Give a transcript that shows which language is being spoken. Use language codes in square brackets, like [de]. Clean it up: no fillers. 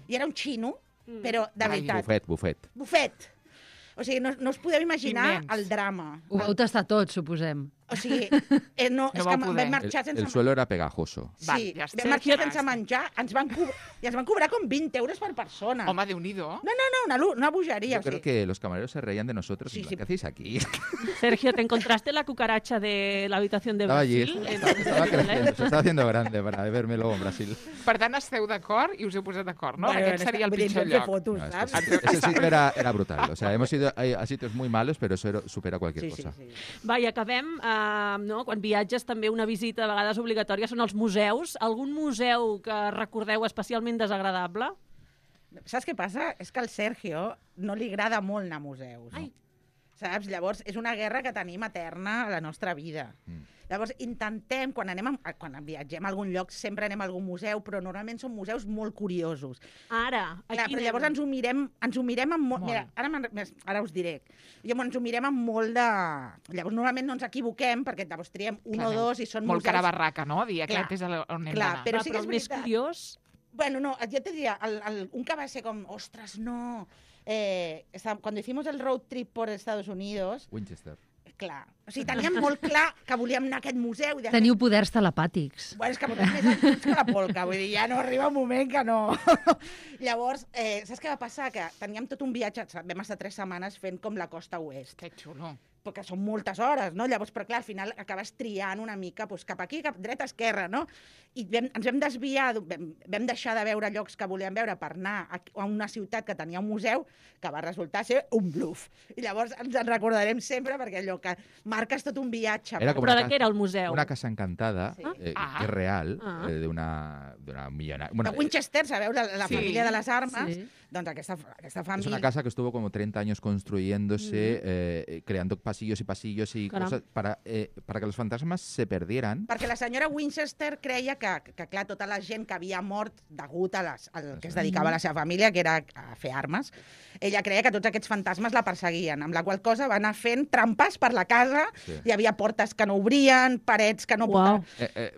[ca] I era un xino, però de veritat... Bufet. O sigui, no us podeu imaginar el drama. Ho vau tastar tot, suposem. O sigui, no és que vam marxar sense... [es] El suelo era pegajoso. [ca] Sí, vam marxar sense menjar, ens van cobrar com 20 euros per persona. Home, Déu-n'hi-do. No, una bogeria. Jo crec que [es] los camareros se reían de nosotros. Sí. ¿Qué hacéis aquí? Sergio, ¿te encontraste la cucaracha de la habitación de Brasil? Estava creciendo, se estaba haciendo grande para verme luego en Brasil. [ca] Per tant, esteu d'acord i us heu posat d'acord, no? Aquest seria el pitjor lloc. [es] Ese sitio era brutal. O sea, hemos ido a sitios muy malos, pero eso supera cualquier cosa. [ca] Va, i acabem... No? Quan viatges, també una visita de vegades obligatòria són els museus. Algun museu que recordeu especialment desagradable? Saps què passa? És que al Sergio no li agrada molt anar a museus. Saps? Llavors, és una guerra que tenim eterna a la nostra vida. Llavors, intentem, quan viatgem a algun lloc, sempre anem a algun museu, però normalment són museus molt curiosos. Ara, aquí... Però llavors ens ho mirem amb molt... Mira, ara us diré. Ens ho mirem amb molt de... Llavors, normalment no ens equivoquem, perquè llavors triem un o dos i són molt Molt carabarraca, no? Dir aquest és on anem d'anar. Però sí que és veritat. Més curiós... Bueno, no, jo et diria, un que va ser com, ostres, no... [es] quan hicimos el road trip por Estados Unidos... Winchester. [ca] Clar. O sigui, teníem molt clar que volíem anar a aquest museu. I teniu poders telepàtics. Bueno, és que portem més anys que la polca. Vull dir, ja no arriba un moment que no. Llavors, saps què va passar? Que teníem tot un viatge, vam estar 3 setmanes fent com la costa oest. Que xulo. Perquè són moltes hores, no? Llavors, però clar, al final acabes triant una mica doncs, cap aquí, cap dreta, esquerra, no? I vam deixar de veure llocs que volíem veure per anar a una ciutat que tenia un museu que va resultar ser un bluff. I llavors ens en recordarem sempre perquè allò que marques tot un viatge. Però de què era el museu? Una casa encantada, que és real, d'una milionària. Bueno, de Winchester, a veure, la família de les armes. Sí. Doncs aquesta família... [es] És una casa que estuvo como 30 años construyéndose, creando pasillos y cosas para que los fantasmas se perdieran. [ca] Perquè la senyora Winchester creia que clar, tota la gent que havia mort degut al que es dedicava a la seva família, que era a fer armes, ella creia que tots aquests fantasmes la perseguien, amb la qual cosa va anar fent trampes per la casa, hi havia portes que no obrien, parets que no... Wow.